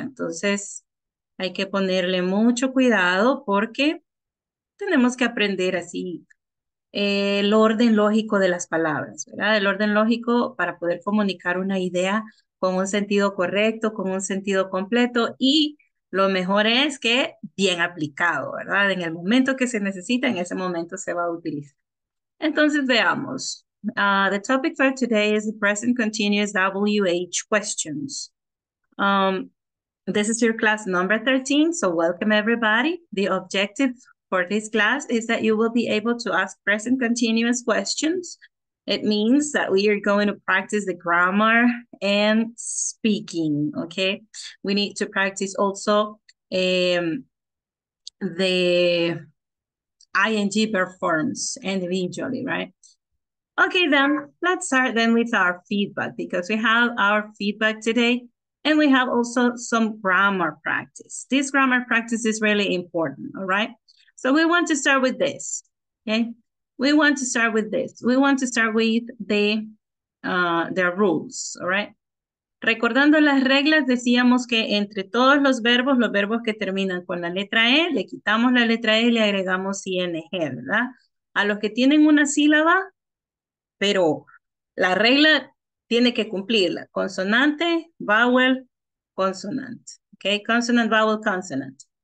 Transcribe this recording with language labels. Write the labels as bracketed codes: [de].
[es] Entonces, hay que ponerle mucho cuidado porque tenemos que aprender así el orden lógico de las palabras, ¿verdad? El orden lógico para poder comunicar una idea con un sentido correcto, con un sentido completo, y lo mejor es que bien aplicado, ¿verdad? En el momento que se necesita, en ese momento se va a utilizar. Entonces, veamos. [en] The topic for today is the present continuous WH questions. This is your class number 13, so welcome everybody. The objective for this class is that you will be able to ask present continuous questions. It means that we are going to practice the grammar and speaking, okay? We need to practice also the ing verb forms individually, right? Okay, then let's start then with our feedback because we have our feedback today. And we have also some grammar practice. This grammar practice is really important, all right? So we want to start with this, okay? We want to start with this. We want to start with the rules, all right? [es] Recordando las reglas, decíamos que entre todos los verbos que terminan con la letra E, le quitamos la letra E y le agregamos ING, ¿verdad? A los que tienen una sílaba, pero la regla tiene que cumplirla. [en] Consonante, vowel, consonant. Okay, consonant, vowel, consonant.